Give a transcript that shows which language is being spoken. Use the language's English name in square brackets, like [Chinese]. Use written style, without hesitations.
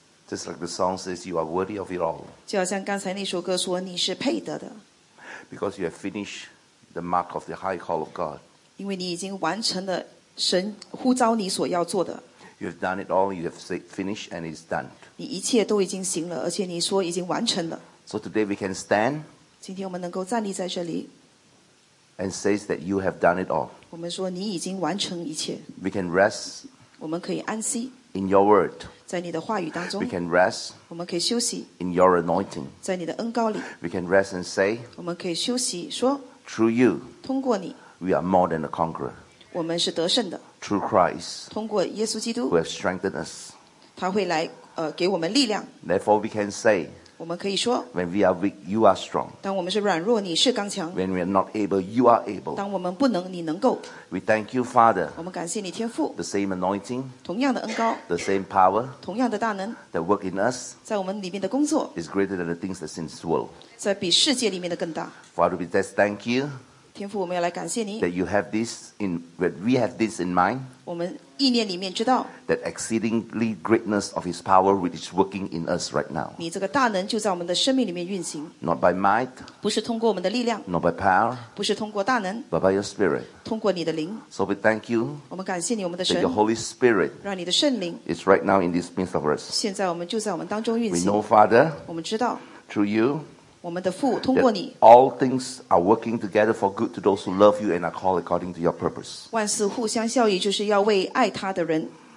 [English] Just like the song says, you are worthy of it all. [Chinese] 就好像刚才那首歌说你是配得的。 [English] Because you have finished the mark of the high call of God. [Chinese] 因为你已经完成了神呼召你所要做的。 [English] You have done it all, you have finished and it's done. [Chinese] 你一切都已经行了，而且你说已经完成了。 [English] So today we can stand. [Chinese] 今天我们能够站立在这里。 [English] And says that you have done it all. [Chinese] 我们说你已经完成一切。 [English] We can rest. [Chinese] 我们可以安息。 [English] In your word. [Chinese] 在你的话语当中。 [English] We can rest. [Chinese] 我们可以休息。 [English] In your anointing. [Chinese] 在你的恩膏里。 [English] We can rest and say. [Chinese] 我们可以休息说。 [English] Through you. [Chinese] 通过你。 [English] We are more than a conqueror. [Chinese] 我们是得胜的。 [English] Through Christ. [Chinese] 通过耶稣基督。 [English] Who has strengthened us. [Chinese] 他会来给我们力量。 [English] Therefore we can say. [Chinese] 我们可以说 [English] When we are weak, you are strong. [Chinese] 当我们是软弱，你是刚强。 [English] When we are not able, you are able. [Chinese] 当我们不能，你能够。 [English] We thank you, Father. [Chinese] 我们感谢你，天父。 [English] The same anointing. [Chinese] 同样的恩膏。 [English] The same power. [Chinese] 同样的大能。 [English] That work in us. [Chinese] 在我们里面的工作。 [English] Is greater than the things that's in this world. [Chinese] 在比世界里面的更大。 [English] Father, we just thank you. [Chinese] 天父，我们要来感谢你。 [English] That you have this in, that we have this in mind. [Chinese] 我们意念里面知道 [English] that exceedingly greatness of His power which is working in us right now. [Chinese] 你这个大能就在我们的生命里面运行 [English] Not by might, [Chinese] 不是通过我们的力量 [English] Not by power, [Chinese] 不是通过大能 [English] But by your spirit, [Chinese] 通过你的灵 [English] So we thank you, [Chinese] 我们感谢你我们的神 [English] That your Holy Spirit, [Chinese] 让你的圣灵 [English] Is right now in this midst of us. [Chinese] 现在我们就在我们当中运行 [English] We know, Father, [Chinese] 我们知道 [English] Through you, [Chinese] 我们的父通过你 [English] all things are working together for good to those who love you and are called according to your purpose. [Chinese] 万事互相效益就是要为爱他的人